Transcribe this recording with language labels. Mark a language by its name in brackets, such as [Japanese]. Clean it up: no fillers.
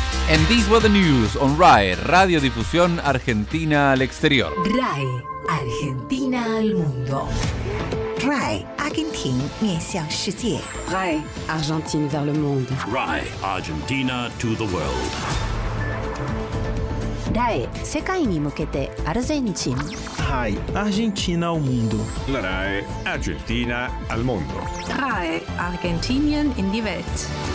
[English] And these were the news on RAE, Radio Difusión Argentina al Exterior. [Spanish] RAE, Argentina al Mundo. [Chinese] RAE, Argentina 面向世界. [French] RAE, Argentina vers le monde. [English] RAE, Argentina to the world. [Japanese] RAE, 世界に向けて, Argentina. [Spanish] RAE, Argentina al mundo. RAE, Argentina al mundo. [English] RAE, Argentinian in the world.